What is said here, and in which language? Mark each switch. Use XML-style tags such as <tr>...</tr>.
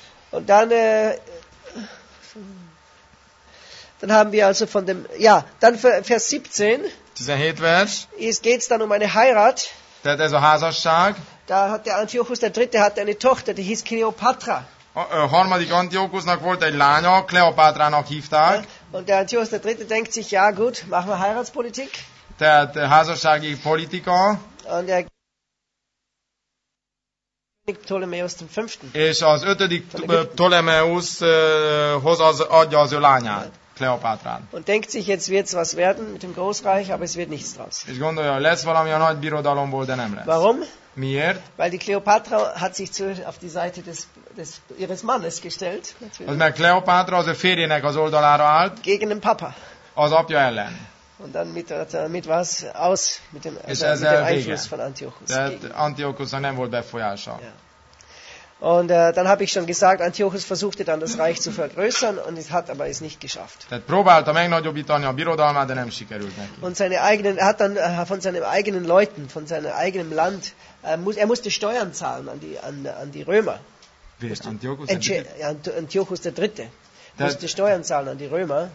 <de>Und dann haben wir also von dem, ja, dann Vers 17.</de> <hu>17 vers.</hu> <de>Es geht dann um eine Heirat.</de> <hu>Tehát ez a házasság.</hu> <de>Da hat der Antiochus der Dritte hat eine Tochter, die hieß Kleopatra.</de> <hu>Harmadik Antiochusnak volt egy lánya, Kleopatrának hívták.</hu> <de>Und der Antiochus der Dritte denkt sich, ja gut, machen wir Heiratspolitik.</de> <hu>Tehát házassági politika.</hu> <de>Und er Ptolemäus zum Fünften.</de> <hu>És az ötödik Ptolemäushoz adja az ő lányát, Kleopátrán.</hu> <de>Und denkt sich, jetzt wird's was werden mit dem Großreich, aber es wird nichts draus.</de> <hu>És gondolja, lesz valami a nagy birodalomból, de nem lesz.</hu> <de>Warum?</de> <hu>Miért?</hu> <de>Weil die Kleopatra hat sich auf die Seite des ihres Mannes gestellt. Natürlich.</de> <hu>Az mert Kleopatra az ő férjének az oldalára állt.</hu> <de>Gegen den Papa.</de> <hu>Az apja ellen.</hu> <de>Und dann mit was aus mit dem, also mit dem Einfluss von Antiochus.</de> <hu>Antiochus nem volt befolyása.</hu> <de>Und dann habe ich schon gesagt, Antiochus versuchte dann das Reich zu vergrößern und es hat aber es nicht geschafft.</de> <hu>Tehát próbálta megnagyobbítani a birodalmát, de nem sikerült neki.</hu> <de>Und seine eigenen, er hat dann von seinen eigenen Leuten, von seinem eigenen Land, er musste Steuern zahlen an die Römer. Antiochus der Dritte. Musste Steuern zahlen an die Römer.</de>